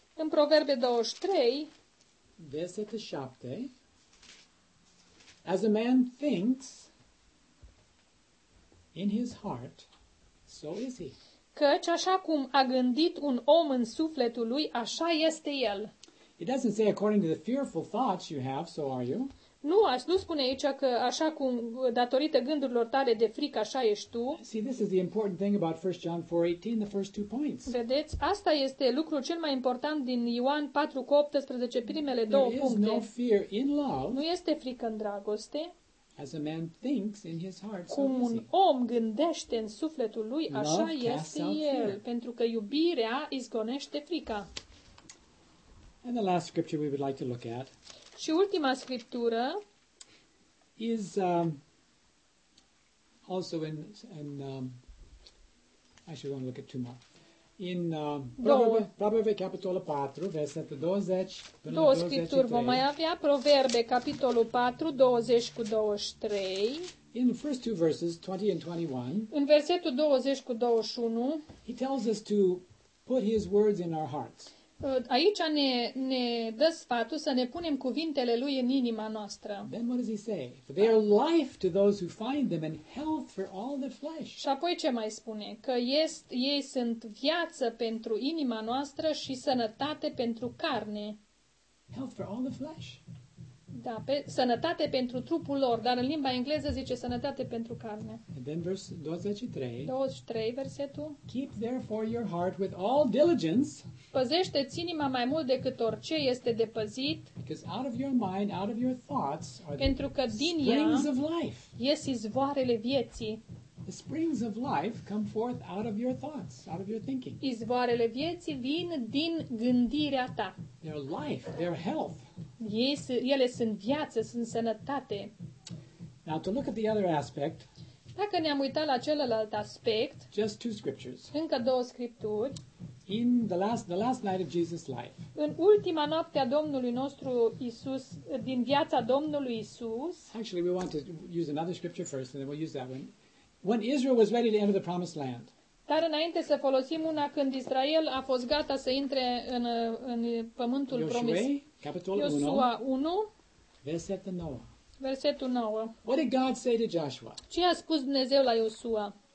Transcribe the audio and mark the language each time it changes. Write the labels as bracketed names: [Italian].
[Romanian] În Proverbe 23, versetul 7, [English] as a man thinks in his heart, so is he. [Romanian] Căci așa cum a gândit un om în sufletul lui, așa este el. [English] It doesn't say according to the fearful thoughts you have, so are you. [Romanian] Nu spune aici că așa cum datorită gândurilor tale de frică așa ești tu. [English] See, this is the important thing about 1 John 4:18, the first two points. [Romanian] Vedeți, asta este lucrul cel mai important din Ioan 4:18, primele două puncte. [English] There is no fear in love. [Romanian] Nu este frică în dragoste. [English] As a man thinks in his heart, so [Romanian] cum un om gândește în sufletul lui, așa este el, pentru că iubirea izgonește frica. [English] And the last scripture we would like to look at. [Romanian] Și ultima scriptură [English] is also in actually want to look at two more. [Romanian] In Proverbe capitolul 4, versetul 20 până la 23. Două scripturi vom mai avea, Proverbe capitolul 4, 20 cu 23. [English] In the first two verses, 20 and 21. [Romanian] În versetul 20 cu 21. [English] He tells us to put his words in our hearts. [Romanian] Aici ne dă sfatul să ne punem cuvintele lui în inima noastră. [English] Then what does he say? For they are life to those who find them and health for all the flesh. [Romanian] Și apoi ce mai spune? Că ei sunt viață pentru inima noastră și sănătate pentru carne. [English] Health for all the flesh. [Romanian] Da, sănătate pentru trupul lor, dar în limba engleză zice sănătate pentru carne. [English] And then verse 23. [Romanian] 23 versetul. [English] Keep therefore your heart with all diligence. [Romanian] Păzește-ți inima mai mult decât orice este de păzit. [English] Because out of your mind, out of your thoughts are the [Romanian] pentru că din [English] springs of life. [Romanian] Ies izvoarele vieții. [English] The springs of life come forth out of your thoughts, out of your thinking. [Romanian] Izvoarele vieții vin din gândirea ta. [English] They're life, they're health. [Romanian] Ele sunt viață, sunt sănătate. [English] Now to look at the other aspect. [Romanian] Dacă ne-am uitat la celălalt aspect. [English] Just two scriptures. [Romanian] Încă două scripturi. [English] In the last night of Jesus' life. [Romanian] În ultima noapte a Domnului nostru Isus, din viața Domnului Isus. [English] Actually, we want to use another scripture first and then we'll use that one. When Israel was ready to enter the promised land. [Romanian] Dar înainte să folosim una când Israel a fost gata să intre în pământul promis. Iosua 1, versetul 9. Versetul 9. [English] What did God say to Joshua? [Romanian] Ce a spus Dumnezeu la Iosua?